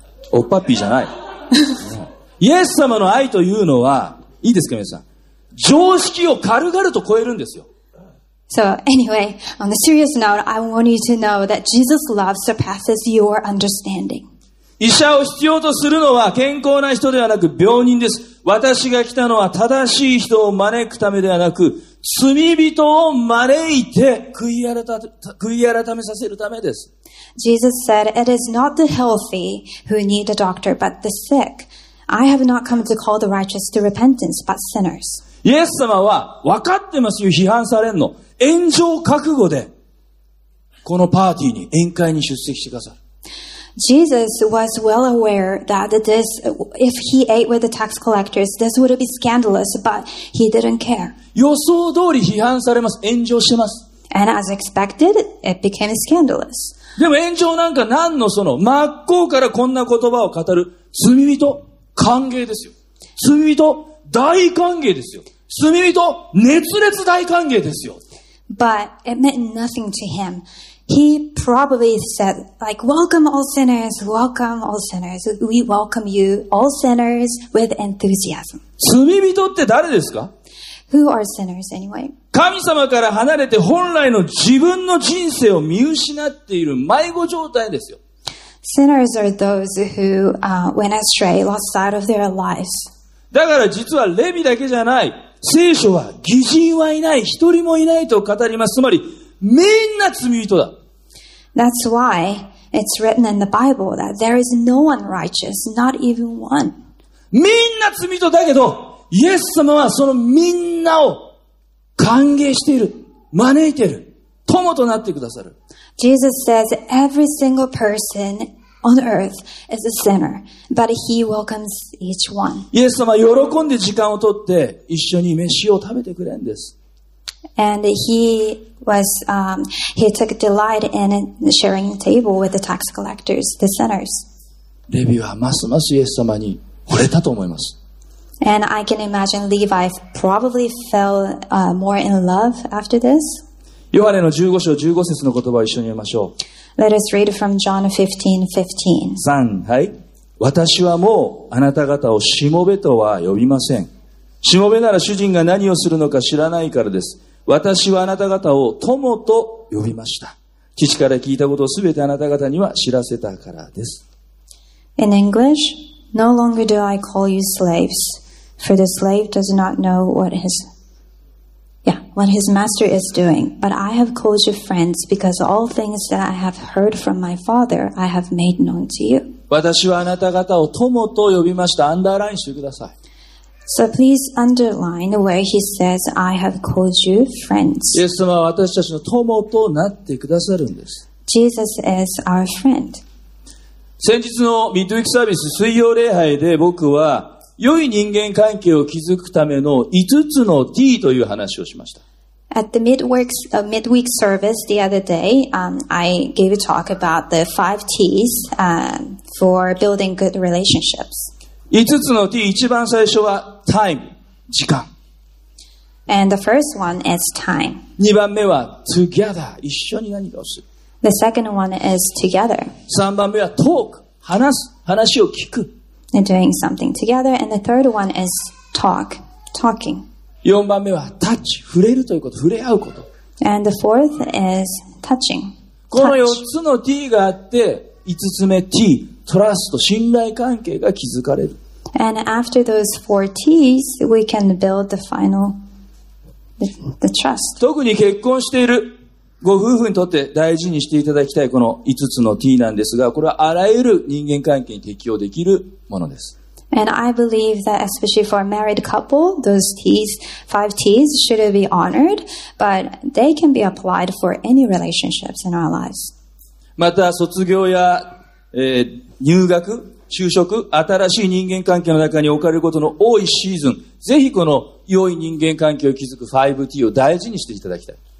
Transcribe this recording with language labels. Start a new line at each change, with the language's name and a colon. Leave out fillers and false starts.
Japanese: おっぱっぴーじゃない、ね。イエス様の愛というのは、いいですか皆さん。常識を軽々と超えるんですよ。
English: So, anyway, on a serious note, I want you to know that Jesus' love surpasses your understanding.
Japanese: 医者を必要とするのは健康な人ではなく病人です。私が来たのは正しい人を招くためではなく、罪人を招いて悔い改めさせるためです。
English: Jesus said, It is not the healthy who need a doctor, but the sick. I have not come to call the righteous to repentance, but sinners.
Japanese: イエス様は分かってますよ、批判されんの。炎上覚悟で、このパーティーに、宴会に出席してください。
English: Jesus was well aware that this, if he ate with the tax collectors, this would be scandalous, but he didn't care.
Japanese: 予想通り批判されます。炎上します。
English: And as expected, it became scandalous.
Japanese: でも炎上なんか何のその、真っ向からこんな言葉を語る、罪人、歓迎ですよ。罪人、大歓迎ですよ。罪人、熱烈大歓迎ですよ。
English: But it meant nothing to him. He probably said, like, welcome all sinners, welcome all sinners. We welcome you, all sinners, with enthusiasm.
Japanese: 罪人って誰ですか?
English: Who are sinners anyway?
Japanese: 神様から離れて本来の自分の人生を見失っている迷子状態ですよ。
English: Sinners are those who, went astray, lost sight of their lives.
Japanese: だから実はレビだけじゃない。聖書は義人はいない、一人もいないと語ります。つまり、みんな罪人だ。
English: That's why it's written in the Bible that there is no one righteous, not even one.
Japanese: みんな罪人だけど、イエス様はそのみんなを歓迎している、招いている、友となってくださる。
English: Jesus says every single person on earth is a sinner, but he welcomes each one.
Japanese: イエス様は喜んで時間をとって一緒に飯を食べてくれるんです。
English: And he took delight in sharing the table with the tax collectors, the sinners.
Japanese: レビはますますイエス様に惚れたと思います。
English: And I can imagine Levi probably fell more in love after this.
Japanese: ヨハネの15章15節の言葉を一緒に読みましょう。
English: Let us read from John 15:15.
Japanese: 3、はい。私はもうあなた方をしもべとは呼びません。しもべなら主人が何をするのか知らないからです。私はあなた方を友と呼びました。父から聞いたことをすべてあなた方には知らせたからです。
English: In English, no longer do I call you slaves, for the slave does not know what his master is doing, but I have called you friends because all things that I have heard from my father I have made known to you.
Japanese: 私はあなた方を友と呼びました。アンダーラインしてください。
English: So please underline where he says, I have called you friends.
Japanese: イエス様は私たちの友となってくださるんです。
English: Jesus is our friend.
Japanese: 先日のミッドウィークサービス水曜礼拝で僕は良い人間関係を築くための5つの T という話をしました。
English: At the midweek service the other day, I gave a talk about the 5 T's for building good relationships.
Japanese: 5つの T、一番最初は time、時間。
English: And the first one is time.
Japanese: 2番目は together、一緒に何かをする。
English: The second one is together.
Japanese: 3番目は talk、話す、話を聞く。
English: And doing something together. And the third one is talk, talking.
Japanese: 4番目は touch、触れるということ、触れ合うこと。
English: And the fourth is touching.
Japanese: この4つの T があって、5つ目 T、トラスト、信頼関係が築かれる。
English: And after those four T's, we can build the final, the trust.
Japanese: 特に結婚しているご夫婦にとって大事にしていただきたいこの5つの T なんですが、これはあらゆる人間関係に適用できるものです。
English: And I believe that especially for a married couple, those T's, five T's should be honored, but they can be applied for any relationships in our lives.
Japanese: また、卒業や入学、就職、新しい人間関係の中に置かれることの多いシーズン、ぜひこの良い人間関係を築く 5T を大事にしていただきたい。